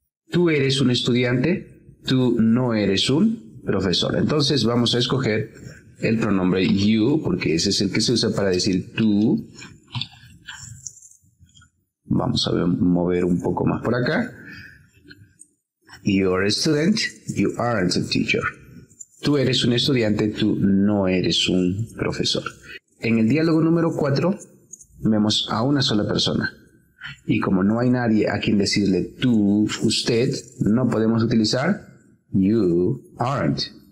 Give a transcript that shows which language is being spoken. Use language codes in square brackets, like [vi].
[es] Tú eres un estudiante, tú no eres un profesor. Entonces vamos a escoger el pronombre you, porque ese es el que se usa para decir tú. Vamos a mover un poco más por acá. [en] You are a student, you aren't a teacher. [es] Tú eres un estudiante, tú no eres un profesor. En el diálogo número 4, vemos a una sola persona. Y como no hay nadie a quien decirle tú, usted, no podemos utilizar [en] you aren't.